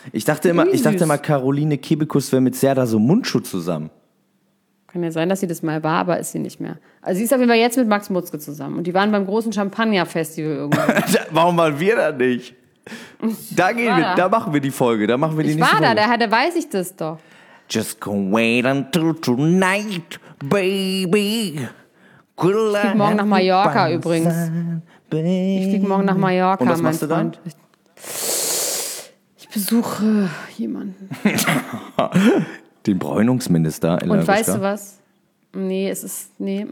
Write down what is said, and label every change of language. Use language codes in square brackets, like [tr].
[de] Ich dachte immer, Caroline Kebekus wäre mit Serdar so Mundschuh zusammen. Kann ja sein, dass sie das mal war, aber ist sie nicht mehr. Also, sie ist auf jeden Fall jetzt mit Max Mutzke zusammen. Und die waren beim großen Champagner-Festival irgendwann. Warum waren wir da nicht? Da gehen wir, da machen wir die Folge, da machen wir die ich nächste Folge. Ich war da, da weiß ich das doch. [en] Just go wait until tonight, baby. [de] Ich flieg morgen nach Mallorca übrigens. Und was machst du dann? Ich besuche jemanden. Den Bräunungsminister in Lagoska. Und weißt du was? Nee, es ist, nee.